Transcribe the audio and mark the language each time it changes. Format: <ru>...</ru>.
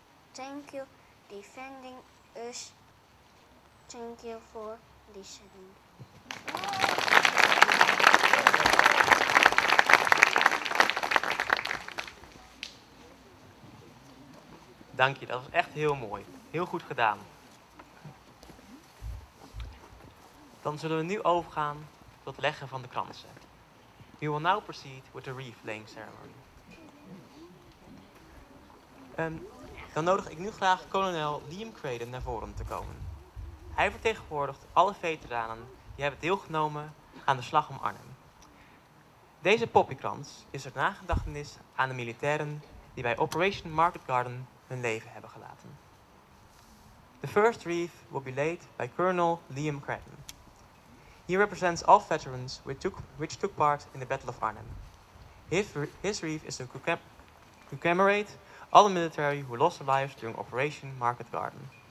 <en>Thank you, defending us. Thank you for listening.</en> <nl>Dank je, dat was echt heel mooi. Heel goed gedaan. Dan zullen we nu overgaan tot het leggen van de kransen.</nl> <en>We will now proceed with the wreath laying ceremony.</en> <nl>Dan nodig ik nu graag kolonel Liam Craden naar voren te komen. Hij vertegenwoordigt alle veteranen die hebben deelgenomen aan de slag om Arnhem. Deze poppykrans is ter nagedachtenis aan de militairen die bij Operation Market Garden hun leven hebben gelaten.</nl> <en>The first wreath will be laid by Colonel Liam Craden. He represents all veterans which took part in the Battle of Arnhem. His wreath is to commemorate all the military who lost their lives during Operation Market Garden.</en>